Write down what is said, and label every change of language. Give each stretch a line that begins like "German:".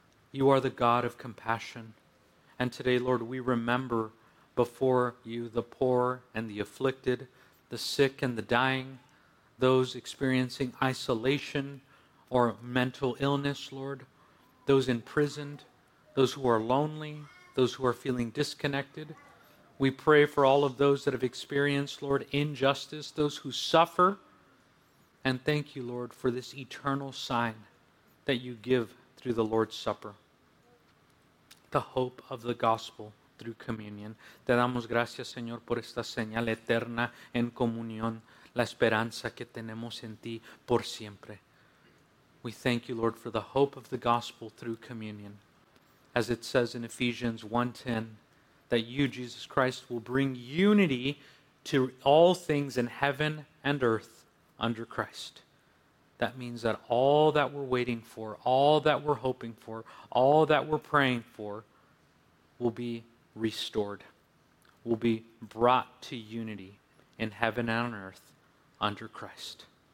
English: You are the God of compassion. And today, Lord, we remember before you the poor and the afflicted, the sick and the dying, those experiencing isolation or mental illness, Lord, those imprisoned, those who are lonely, those who are feeling disconnected. We pray for all of those that have experienced, Lord, injustice, those who suffer. And thank you, Lord, for this eternal sign that you give through the Lord's Supper, the hope of the gospel through communion.
Spanish: Te damos gracias, Señor, por esta señal eterna en comunión, la esperanza que tenemos en ti por siempre.
English: We thank you, Lord, for the hope of the gospel through communion. As it says in Ephesians 1:10, that you, Jesus Christ, will bring unity to all things in heaven and earth under Christ. That means that all that we're waiting for, all that we're hoping for, all that we're praying for will be restored, will be brought to unity in heaven and on earth under Christ.